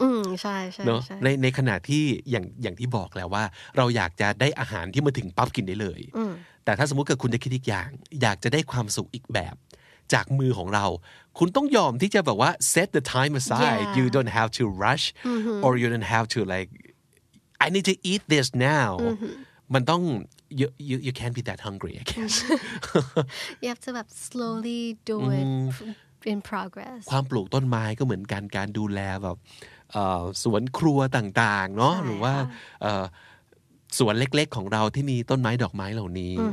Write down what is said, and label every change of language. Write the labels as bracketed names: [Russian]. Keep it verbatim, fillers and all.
[Thai] อืมใช่ใช่ เนาะในในขณะที่อย่างอย่างที่บอกแล้วว่าเราอยากจะได้อาหารที่มาถึงปั๊บกินได้เลยแต่ถ้าสมมุติเกิดคุณจะคิดอีกอย่างอยากจะได้ความสุขอีกแบบจากมือของเราคุณต้องยอมที่จะแบบว่า [English] set the time aside yeah. you don't have to rush [Thai] mm-hmm. [English] or you don't have to like I need to eat this now mm-hmm. [Thai] มันต้อง [English] You, you you can't be that hungry, I guess. You have to like slowly do it in progress. [Thai] ความปลูกต้นไม้ก็เหมือนกันการดูแลแบบสวนครัวต่างๆเนาะหรือว่าสวนเล็กๆของเราที่มีต้นไม้ดอกไม้เหล่านี้